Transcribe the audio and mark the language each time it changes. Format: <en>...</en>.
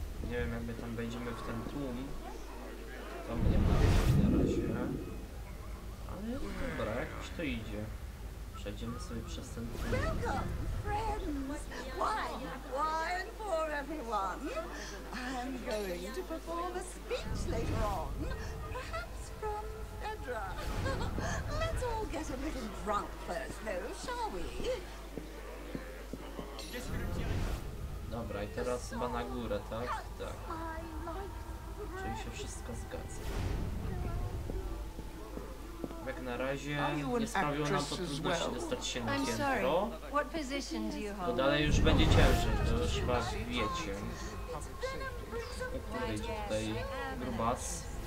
<pl>Nie wiem, jakby tam wejdziemy w ten tłum. To mnie martwi na razie. Ale dobra, jakoś to idzie. Przejdziemy sobie przez ten tłum.</pl> <en>Welcome, friends! Wine! Wine for everyone! I'm going to perform a speech later on. Perhaps from Fedra. Let's all get a little drunk first though, shall we?</en> <pl>Dobra, i teraz chyba na górę, tak? Tak. Czyli się wszystko zgadza. Jak na razie nie sprawiło nam to trudności dostać się na piętro. Bo dalej już będzie ciężej, to już chyba wiecie. Jak to wyjdzie tutaj grubas.</pl>